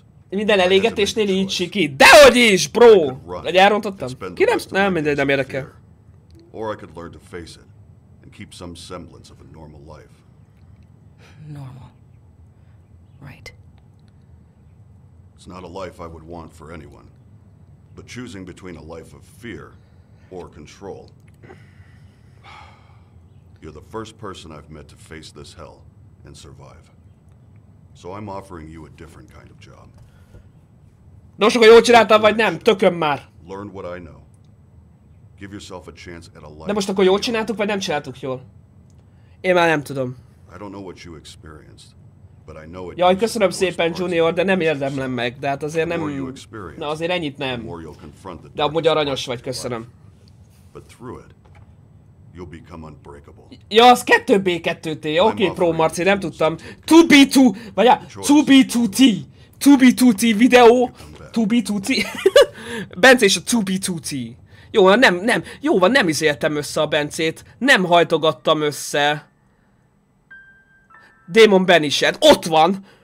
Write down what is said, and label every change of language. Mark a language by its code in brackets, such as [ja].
[hu] Minden elégetésnél így siki. Dehogy is, bro! Egy elrontottam? Ki nem? Nem, mindegy, nem érdekel. [en] Or I could learn to face it and keep some semblance of a normal life. Normal. Right. It's not a life I would want for anyone. But choosing between a life of fear or control. You're the first person I've met to face this hell and survive. So I'm offering you a different kind of job. [hu] Nos, akkor jól csináltam, vagy nem? Tököm már! [en] Learn what I know. Give yourself a chance at a life. [hu] De most akkor jól csináltuk, vagy nem csináltuk jól? Én már nem tudom. [en] I don't know what you experienced, but I know it. [hu] Jaj, köszönöm szépen, Junior, de nem érdemlem meg, de hát azért nem. Na, azért ennyit nem. De amúgy aranyos vagy, köszönöm. [en] But through it, you'll become unbreakable. [hu] Ja, az 2B2T, oké, Pro Marci, nem tudtam. 2B2, vagy 2B2T. 2B2T videó. 2B2T. Bence is a 2B2T. Jó, nem. Jó van, nem izéltem össze a Bencét. Nem hajtogattam össze. Démon Banished. Ott van!